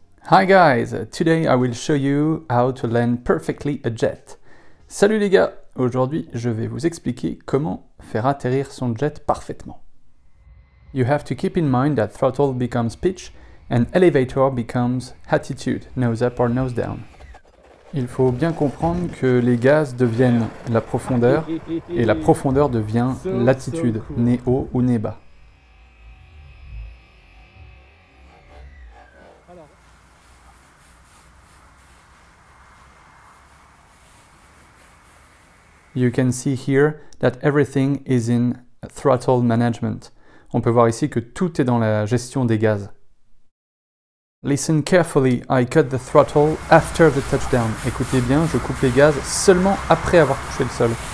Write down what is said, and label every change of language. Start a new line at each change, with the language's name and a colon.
English: Hi guys, today I will show you how to land perfectly a jet.
French: Salut les gars, aujourd'hui je vais vous expliquer comment faire atterrir son jet parfaitement.
English: You have to keep in mind that throttle becomes pitch and elevator becomes attitude, nose up or nose down.
French: Il faut bien comprendre que les gaz deviennent la profondeur et la profondeur devient l'attitude, nez haut ou nez bas.
English: You can see here that everything is in throttle management.
French: On peut voir ici que tout est dans la gestion des gaz.
English: Listen carefully, I cut the throttle after the touchdown.
French: Écoutez bien, je coupe les gaz seulement après avoir touché le sol.